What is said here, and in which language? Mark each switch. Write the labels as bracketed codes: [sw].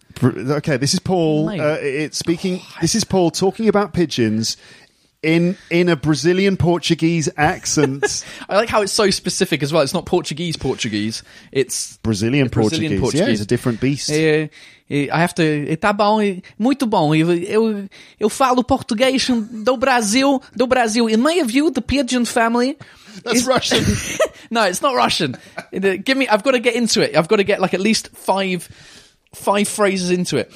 [en] Okay, this is Paul. This is Paul talking about pigeons in a Brazilian Portuguese accent. I like how it's so specific as well. It's not Portuguese Portuguese. It's Brazilian Portuguese. Brazilian Portuguese. Yeah, it's a different beast. I have to... [pt] Tá bom, muito bom. Eu falo português do Brasil. [en] In my view, the pigeon family... That's Russian. No, it's not Russian. I've got to get into it. I've got to get like at least five phrases into it.